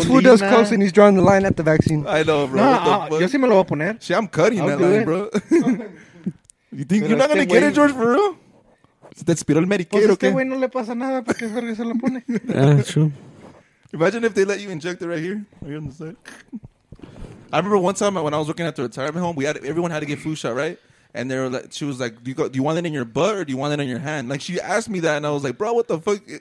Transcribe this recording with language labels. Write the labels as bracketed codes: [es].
[en] This fool does coke and he's drawing the line at the vaccine. I know, bro. [es] No, yo sí me lo voy a poner. [en] See, I'm cutting that line, bro. You think you're not going to get it, George, for real? [es] Se te expiró el mariquero, ¿qué? Pues este güey no le pasa nada, ¿por qué verga se lo pone? [en] That's true. Imagine if they let you inject it right here. Right here on the side. I remember one time when I was working at the retirement home, everyone had to get flu shot, right? And they were like, she was like, do you want it in your butt or do you want it in your hand? Like, she asked me that and I was like, bro, what the fuck?